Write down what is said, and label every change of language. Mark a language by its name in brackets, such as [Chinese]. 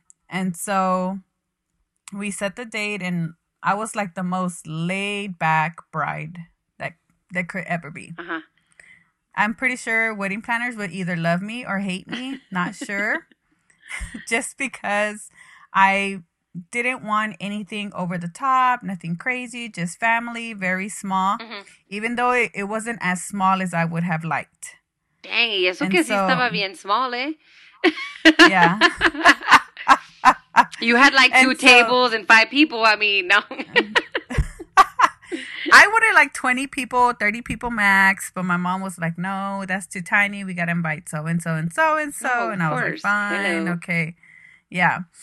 [English] And so we set the date, and I was like the most laid back bride that could ever be. Uh-huh. I'm pretty sure wedding planners would either love me or hate me. Not sure. Just because I didn't want anything over the top, nothing crazy, just family, very small. Mm-hmm. Even though it wasn't as small as I would have liked. [Spanish] Dang, eso que si estaba bien small, eh? [English] Yeah. You had like two tables and five people. I mean, no. I wanted like 20 people, 30 people max. But my mom was like, no, that's too tiny. We got to invite so-and-so and so-and-so. Oh, and course. I was like, fine. Hello. Okay. Yeah.